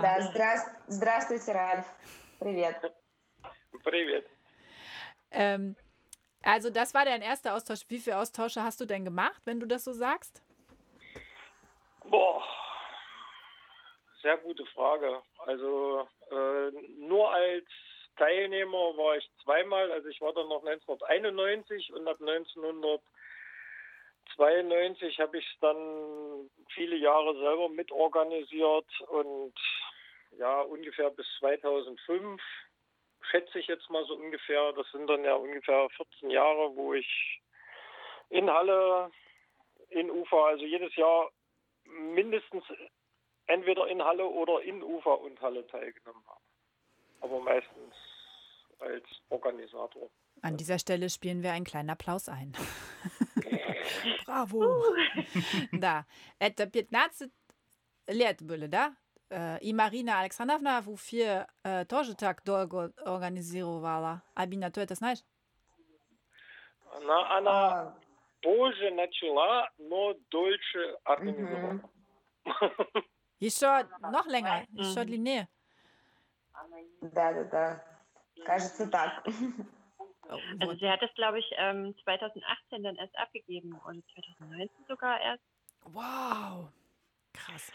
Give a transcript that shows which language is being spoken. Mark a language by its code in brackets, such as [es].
[ru] Да, здравствуйте, Ralf. Привет. Привет. [de] Also das war dein erster Austausch. Wie viele Austausche hast du denn gemacht, wenn du das so sagst? Boah, sehr gute Frage. Also nur als Teilnehmer war ich zweimal. Also ich war dann noch 1991 und ab 1992 habe ich es dann viele Jahre selber mitorganisiert. Und ja, ungefähr bis 2005. Schätze ich jetzt mal so ungefähr, das sind dann ja ungefähr 14 Jahre, wo ich in Halle, in Ufa, also jedes Jahr mindestens entweder in Halle oder in Ufa und Halle teilgenommen habe. Aber meistens als Organisator. An dieser Stelle spielen wir einen kleinen Applaus ein. Bravo! [ru] Da, это 15 лет было, да? И Марина Александровна в Уфе тоже так долго организовала. Абина, ты это знаешь? Она позже начала, но дольше организовала. Mm-hmm. [de] Еще noch länger, mm-hmm. [ru] Еще длиннее. Да. Кажется так. [de] Also sie hat es, glaube ich, 2018 dann erst abgegeben und 2019 sogar erst. Wow, krass.